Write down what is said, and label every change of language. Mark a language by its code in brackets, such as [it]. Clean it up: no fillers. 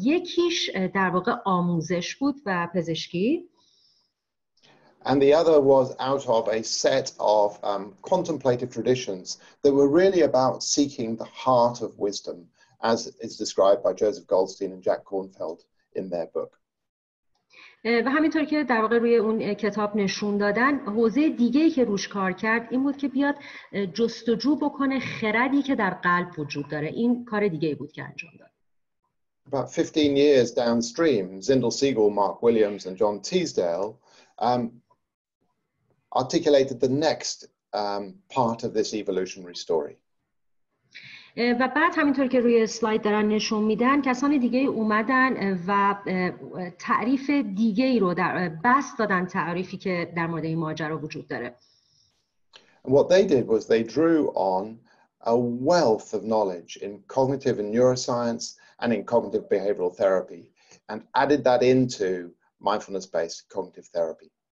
[fa] یکیش در واقع آموزش بود و پزشکی. [en] And the other was out of a set of contemplative traditions that were really about seeking the heart of wisdom, as is described by Joseph Goldstein and Jack Kornfeld in their book. [fa] و همینطور که در واقع روی اون کتاب نشون دادن، حوزه دیگه‌ای که روش کار کرد این بود که بیاد جستجو بکنه خردی که در قلب وجود داره. این کار دیگه‌ای بود که انجام داد. [en] About 15 years downstream, Zindel Siegel, Mark Williams and John Teasdale articulated the next part of this evolutionary story. [fa] و بعد همینطور که روی سلاید دارن نشون میدن، کسان دیگه اومدن و تعریف دیگه ای رو در بس دادن، تعریفی که در مورد این ماجرا وجود داره. [en] What they did was they drew on a wealth of knowledge in cognitive and neuroscience and in cognitive behavioral therapy and added that into mindfulness-based cognitive therapy.